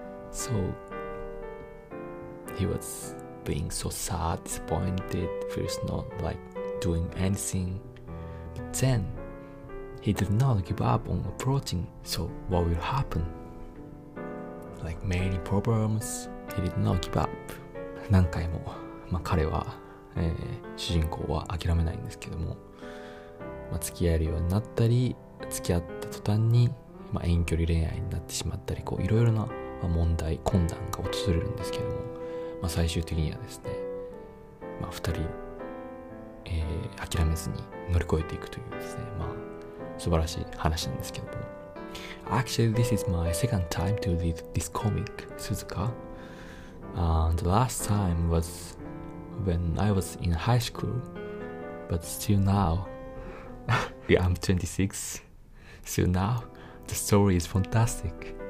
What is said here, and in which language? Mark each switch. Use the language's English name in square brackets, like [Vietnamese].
[English] So he was... being so sad, disappointed, feels not like doing anything. But then, he did not give up on approaching. So what will happen? Like many problems, he did not give up. [Japanese] 何回も、まあ、彼は、主人公は諦めないんですけども、まあ、付き合えるようになったり、付き合った途端に、まあ、遠距離恋愛になってしまったり、こういろいろな、まあ、問題、困難が訪れるんですけども、まあ、最終的にはですね、まあ、二人、諦めずに乗り越えていくというですね、まあ、素晴らしい話なんですけども。 [English] Actually, this is my second time to read this comic, Suzuka. And the last time was when I was in high school, but still now, yeah, I'm 26, still now, the story is fantastic.